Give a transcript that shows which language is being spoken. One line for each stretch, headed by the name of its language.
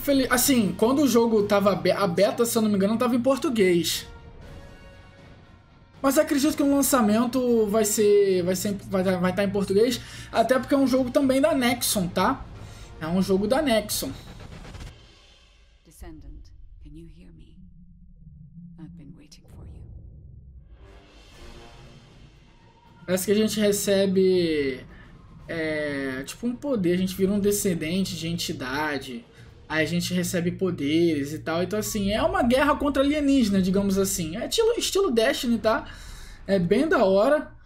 Portuguese: Assim, quando o jogo tava a beta, se eu não me engano, tava em português. Mas acredito que o lançamento vai estar em português, até porque é um jogo também da Nexon, tá? É um jogo da Nexon.
English: Descendant, can you hear me? I've been waiting for you.
Portuguese: Parece que a gente recebe tipo um poder, a gente vira um descendente de entidade. Aí a gente recebe poderes e tal. Então assim, é uma guerra contra alienígena, digamos assim. É estilo Destiny, tá? É bem da hora.